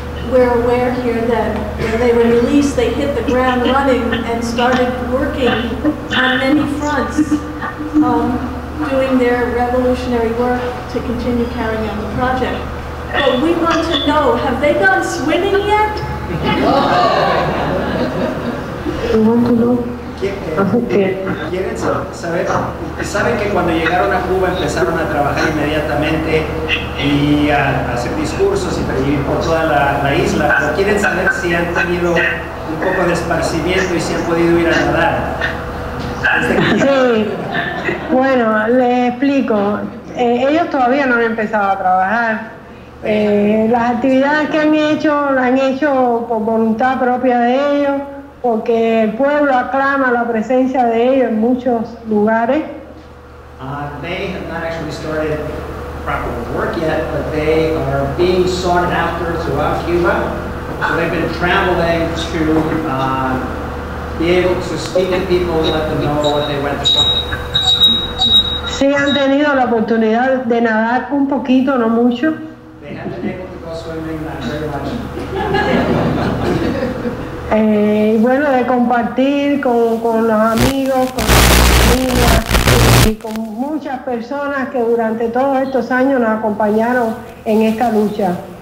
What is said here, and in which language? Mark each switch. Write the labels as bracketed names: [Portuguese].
[English] We're aware here that when they were released, they hit the ground running and started working on many fronts, doing their revolutionary work to continue carrying out the project. But we want to know, have they gone swimming yet? We want to know. [Spanish] Quieren saber, saben que cuando llegaron a Cuba empezaron a trabajar inmediatamente y a hacer discursos y pedir por toda la isla, pero quieren saber si han tenido un poco de esparcimiento y si han podido ir a nadar. Sí, bueno, les explico. Ellos todavía no han empezado a trabajar. Las actividades que han hecho, las han hecho por voluntad propia de ellos, porque el pueblo aclama la presencia de ellos en muchos lugares. [English] They have not actually started proper work yet, but they are being sought after throughout Cuba. So they've been traveling to be able to speak to people and let them know what they went through. [Spanish] Sí, han tenido la oportunidad de nadar un poquito, no mucho. [English] They haven't been able to go swimming that very much. [Spanish] Bueno, de compartir con los amigos, con la familia y con muchas personas que durante todos estos años nos acompañaron en esta lucha.